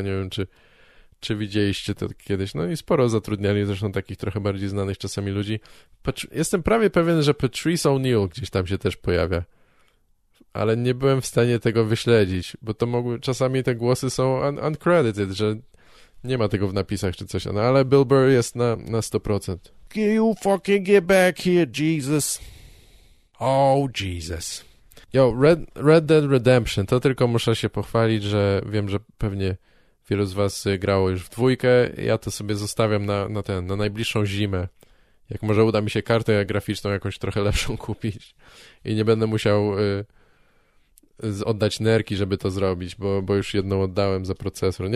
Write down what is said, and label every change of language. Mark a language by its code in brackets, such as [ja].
[pl] Nie wiem, czy widzieliście to kiedyś. No i sporo zatrudniali zresztą takich trochę bardziej znanych czasami ludzi. Jestem prawie pewien, że Patrice O'Neill gdzieś tam się też pojawia, ale nie byłem w stanie tego wyśledzić, bo to mogły, czasami te głosy są uncredited, że nie ma tego w napisach czy coś, no, ale Bill Burr jest na 100%. [en] Can you fucking get back here, Jesus? Oh, Jesus. [pl] Yo, Red Dead Redemption, to tylko muszę się pochwalić, że wiem, że pewnie wielu z was grało już w dwójkę, ja to sobie zostawiam na najbliższą zimę. Jak może uda mi się kartę graficzną jakąś trochę lepszą kupić i nie będę musiał oddać nerki, żeby to zrobić, bo już jedną oddałem za procesor.